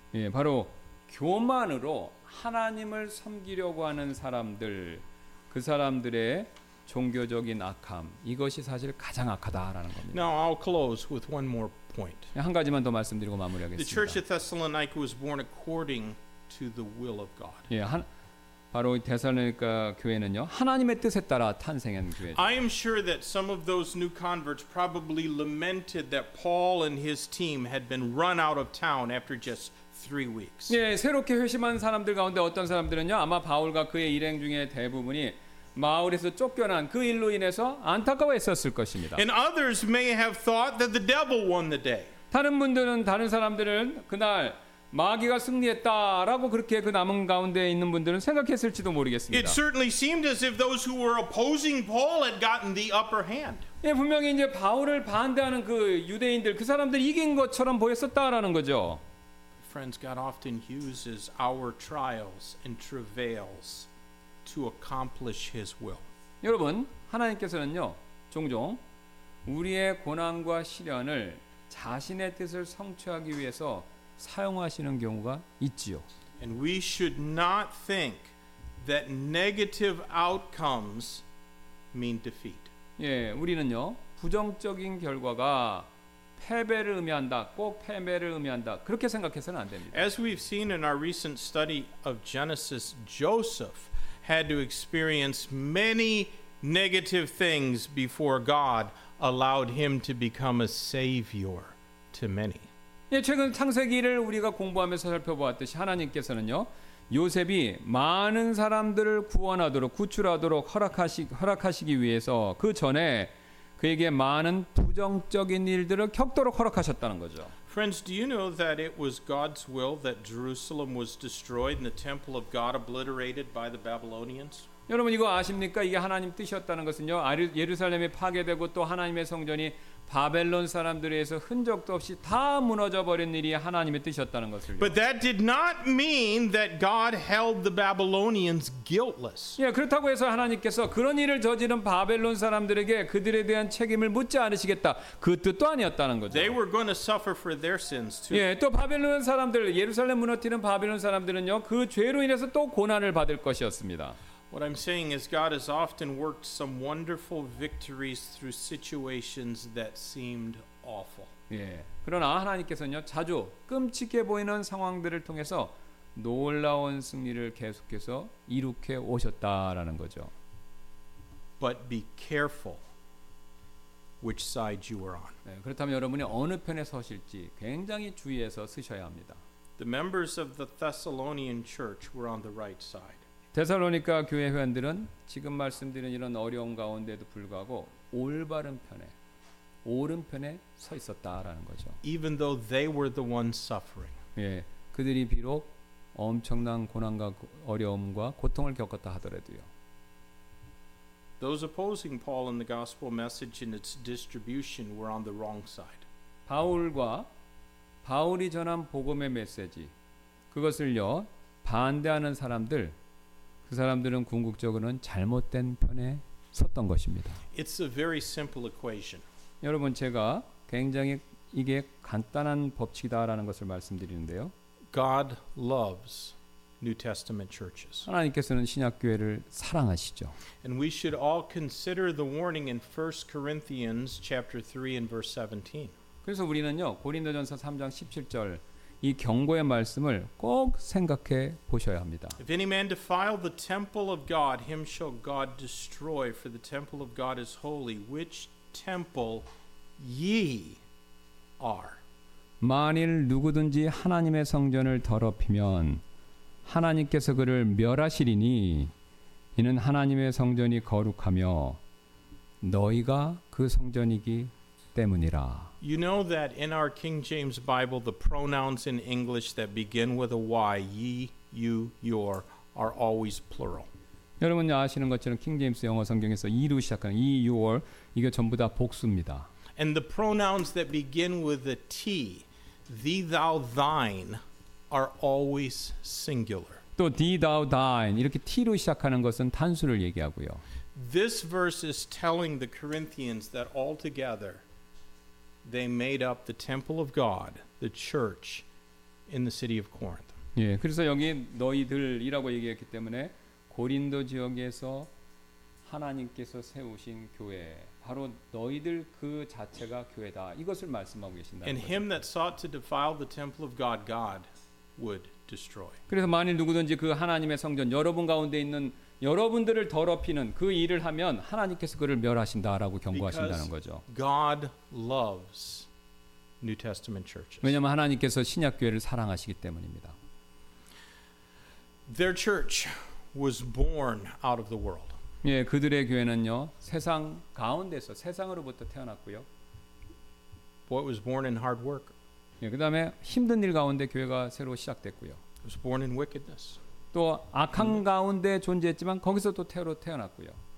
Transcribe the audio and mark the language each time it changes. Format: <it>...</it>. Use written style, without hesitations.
<ko>예, 바로 교만으로 하나님을 섬기려고 하는 사람들, 그 사람들의 종교적인 악함, 이것이 사실 가장 악하다라는 겁니다.</ko> <en>Now I'll close with one more point.</en> <ko>한 가지만 더 말씀드리고 마무리하겠습니다.</ko> <en>The church at Thessalonica was born according to the will of God.</en> <ko>예, 바로 데살로니가 교회는요, 하나님의 뜻에 따라 탄생한 교회죠.</ko> <en>I am sure that some of those new converts probably lamented that Paul and his team had been run out of town after just three weeks.</en> <ko>예, 새롭게 회심한 사람들 가운데 어떤 사람들은요, 아마 바울과 그의 일행 중에 대부분이 마을에서 쫓겨난 그 일로 인해서 안타까워했었을 것입니다.</ko> <en>And others may have thought that the devil won the day.</en> <ko>다른 분들은 다른 사람들은 그날 마귀가 승리했다라고 그렇게 그 남은 가운데 있는 분들은 생각했을지도 모르겠습니다.</ko> <en>It certainly seemed as if those who were opposing Paul had gotten the upper hand.</en> <ko>예, 분명히 이제 바울을 반대하는 그 유대인들 그 사람들이 이긴 것처럼 보였었다라는 거죠.</ko> <en>Friends, God often uses our trials and travails to accomplish His will.</en> <ko>여러분, 하나님께서는요 종종 우리의 고난과 시련을 자신의 뜻을 성취하기 위해서 사용하시는 경우가 있지요.</ko> <en>And we should not think that negative outcomes mean defeat.</en> <ko>예, 우리는요 부정적인 결과가 패배를 의미한다, 꼭 패배를 의미한다 그렇게 생각해서는 안 됩니다.</ko> <en>As we've seen in our recent study of Genesis, Joseph had to experience many negative things before God allowed him to become a savior to many.</en> <ko>예, 최근 창세기를 우리가 공부하면서 살펴보았듯이 하나님께서는요 요셉이 많은 사람들을 구원하도록 구출하도록 허락하시기 위해서 그 전에 그에게 많은 부정적인 일들을 겪도록 허락하셨다는 거죠.</ko> <en>Friends, do you know that it was God's will that Jerusalem was destroyed and the temple of God obliterated by the Babylonians?</en> <ko>여러분 이거 아십니까? 이게 하나님 뜻이었다는 것은요. 예루살렘이 파괴되고 또 하나님의 성전이 바벨론 사람들에 의해서 흔적도 없이 다 무너져 버린 일이 하나님의 뜻이었다는 것을요.</ko> <en>But that did not mean that God held the Babylonians guiltless.</en> <ko>예, 그렇다고 해서 하나님께서 그런 일을 저지른 바벨론 사람들에게 그들에 대한 책임을 묻지 않으시겠다. 그 뜻도 아니었다는 거죠.</ko> <en>They were going to suffer for their sins too.</en> <ko>예, 또 바벨론 사람들, 예루살렘 무너뜨린 바벨론 사람들은요. 그 죄로 인해서 또 고난을 받을 것이었습니다.</ko> <en>What I'm saying is God has often worked some wonderful victories through situations that seemed awful.</en> <ko>예. 그러나 하나님께서는요, 자주 끔찍해 보이는 상황들을 통해서 놀라운 승리를 계속해서 이룩해 오셨다라는 거죠.</ko> <en>But be careful which side you are on.</en> <ko>예, 그렇다면 여러분이 어느 편에 서실지 굉장히 주의해서 쓰셔야 합니다.</ko> <en>The members of the Thessalonian church were on the right side.</en> <ko>데살로니가 교회 회원들은 지금 말씀드린 이런 어려운 가운데도 불구하고 올바른 편에 옳은 편에 서 있었다라는 거죠.</ko> <en>Even though they were the ones suffering.</en> <ko>예. 그들이 비록 엄청난 고난과 어려움과 고통을 겪었다 하더라도요.</ko> <en>Those opposing Paul in the gospel message in its distribution were on the wrong side.</en> <ko>바울과 바울이 전한 복음의 메시지 그것을요 반대하는 사람들 그 사람들은 궁극적으로는 잘못된 편에 섰던 것입니다.</ko> <en>It's a very simple equation.</en> <ko>여러분 제가 굉장히 이게 간단한 법칙이다라는 것을 말씀드리는데요.</ko> <en>God loves New Testament churches.</en> <ko>하나님께서는 신약교회를 사랑하시죠.</ko> <en>And we should all consider the warning in 1 Corinthians chapter 3 and verse 17.</en> <ko>그래서 우리는요. 고린도전서 3장 17절 이 경고의 말씀을 꼭 생각해 보셔야 합니다.</ko> <en>If any man defile the temple of God, him shall God destroy, for the temple of God is holy, which temple ye are.</en> <ko>만일 누구든지 하나님의 성전을 더럽히면 하나님께서 그를 멸하시리니 이는 하나님의 성전이 거룩하며 너희가 그 성전이기 때문이라.</ko> <en>You know that in our King James Bible, the pronouns in English that begin with a Y, ye, you, your, are always plural.</en> <ko>여러분 아시는 것처럼 King James 영어 성경에서 ye로 시작하는 ye, your, 이게 전부 다 복수입니다.</ko> <en>And the pronouns that begin with a T, thee, thou, thine, are always singular.</en> <ko>또 thee, thou, thine, 이렇게 T로 시작하는 것은 단수를 얘기하고요.</ko> <en>This verse is telling the Corinthians that altogether, They made up the temple of God, the church, in the city of Corinth.</en> <ko>예, 그래서 여기 너희들이라고 얘기했기 때문에 고린도 지역에서 하나님께서 세우신 교회, 바로 너희들 그 자체가 교회다. 이것을 말씀하고 계신다.</ko> <en>And him that sought to defile the temple of God, God would destroy.</en> <ko>그래서 만일 누구든지 그 하나님의 성전, 여러분 가운데 있는 여러분들을 더럽히는 그 일을 하면 하나님께서 그를 멸하신다라고 경고하신다는 거죠.</ko> <en>God loves New Testament churches.</en> <ko>왜냐하면 하나님께서 신약 교회를 사랑하시기 때문입니다.</ko> <en>Their church was born out of the world.</en> <ko>예, 그들의 교회는요 세상 가운데서 세상으로부터 태어났고요.</ko> <en>It was born in hard work.</en> <ko>예, 그다음에 힘든 일 가운데 교회가 새로 시작됐고요.</ko> <en>It was born in wickedness.</en> <ko>또 악한 가운데 존재했지만 거기서 또 태로 태어났고요.</ko>